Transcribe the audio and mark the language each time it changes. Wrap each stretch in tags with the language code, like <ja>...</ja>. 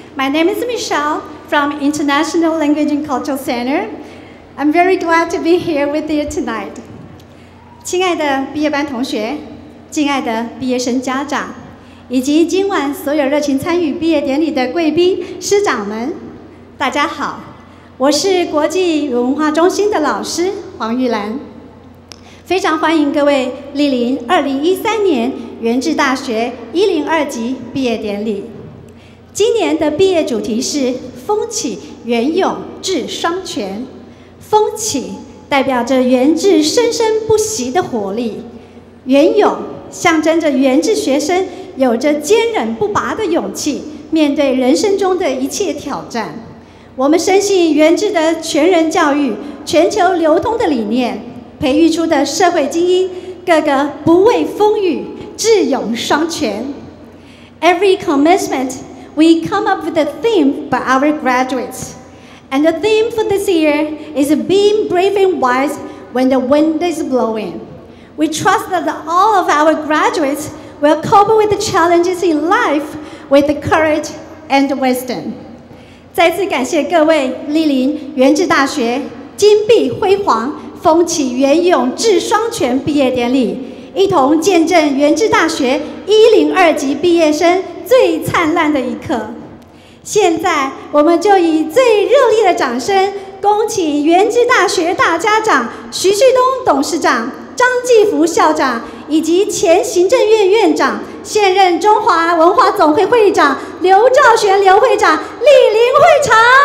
<en>My name is Michelle from International Language and Cultural Center. I'm very glad to be here with you tonight.</en> <zh>亲爱的毕业班同学，敬爱的毕业生家长，以及今晚所有热情参与毕业典礼的贵宾师长们，大家好，我是国际文化中心的老师黄玉兰。非常欢迎各位莅临2013年源治大学102级毕业典礼。今年的毕业主题是"风起源涌至双全"。风起代表着源自生生不息的活力，袁勇象征着源自学生有着坚韧不拔的勇气，面对人生中的一切挑战。我们深信源自的全人教育、全球流通的理念，培育出的社会精英，个个不畏风雨，智勇双全。</zh> <en>Every commencement, we come up with a theme for our graduates. And the theme for this year is being brave and wise when the wind is blowing. We trust that all of our graduates will cope with the challenges in life with the courage and wisdom.</en> <zh>再次感谢各位莅临源智大学金碧辉煌、风起袁勇智双全毕业典礼，一同见证源智大学102级毕业生最灿烂的一刻。现在我们就以最热烈的掌声恭请源智大学大家长徐旭东董事长、张继福校长以及前行政院院长、现任中华文化总会会长刘兆玄刘会长莅临会场。</zh>